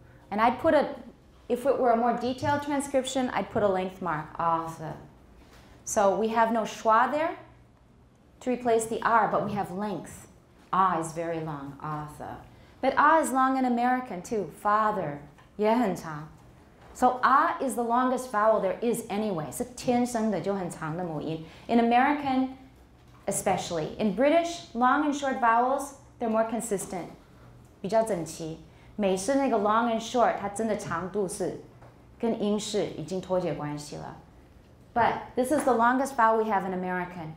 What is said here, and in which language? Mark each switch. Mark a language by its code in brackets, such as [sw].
[en] And I'd put a, if it were a more detailed transcription, I'd put a length mark, Arthur. So we have no schwa there to replace the R, but we have length. Ah is very long, Arthur. But ah is long in American too, father, yehenta. So ah is the longest vowel there is anyway. [zh] So 天生的就很长的母音. [en] In American, especially. In British, long and short vowels, they're more consistent. [zh] 比较整齐.美式那个 [en] long and short, [zh] 它真的长度是跟英式已经脱节关系了. [en] But this is the longest vowel we have in American.